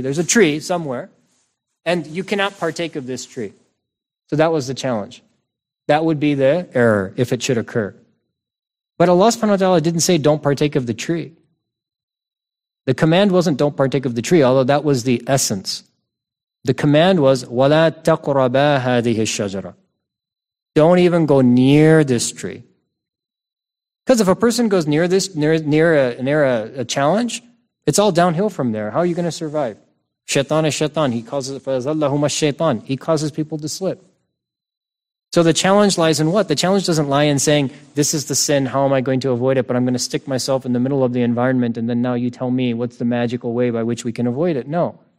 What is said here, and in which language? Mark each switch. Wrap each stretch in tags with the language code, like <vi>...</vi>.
<en>There's a tree somewhere and you cannot partake of this tree. So that was the challenge. That would be the error if it should occur. But Allah subhanahu wa ta'ala didn't say don't partake of the tree. The command wasn't don't partake of the tree, although that was the essence. The command was</en> <ar>وَلَا تَقْرَبَا هَذِهِ الشَّجَرَ.</ar> <en>Don't even go near this tree. Because if a person goes near this, near a challenge, it's all downhill from there. How are you going to survive? Shaitan is shaitan. He causes</en> <ar>فَذَلَّهُمَ الشَّيْطَانِ.</ar> <en>He causes people to slip. So the challenge lies in what? The challenge doesn't lie in saying, this is the sin, how am I going to avoid it, but I'm going to stick myself in the middle of the environment and then now you tell me what's the magical way by which we can avoid it. No.</en>